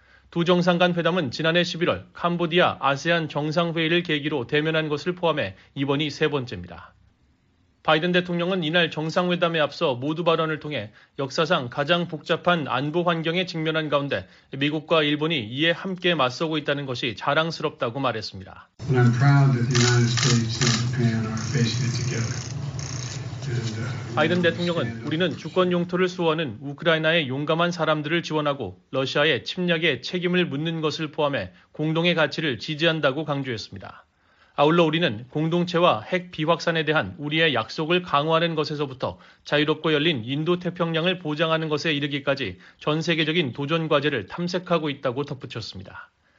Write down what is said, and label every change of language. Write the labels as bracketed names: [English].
[Korean] 두 정상 간 회담은 지난해 11월 캄보디아 아세안 정상회의를 계기로 대면한 것을 포함해 이번이 세 번째입니다. 바이든 대통령은 이날 정상회담에 앞서 모두 발언을 통해 역사상 가장 복잡한 안보 환경에 직면한 가운데 미국과 일본이 이에 함께 맞서고 있다는 것이 자랑스럽다고 말했습니다. [English] I'm proud that the United States and Japan are facing it together. [Korean] 바이든 대통령은 우리는 주권 용토를 수호하는 우크라이나의 용감한 사람들을 지원하고 러시아의 침략에 책임을 묻는 것을 포함해 공동의 가치를 지지한다고 강조했습니다. 아울러 우리는 공동체와 핵 비확산에 대한 우리의 약속을 강화하는 것에서부터 자유롭고 열린 인도태평양을 보장하는 것에 이르기까지 전 세계적인 도전 과제를 탐색하고 있다고 덧붙였습니다.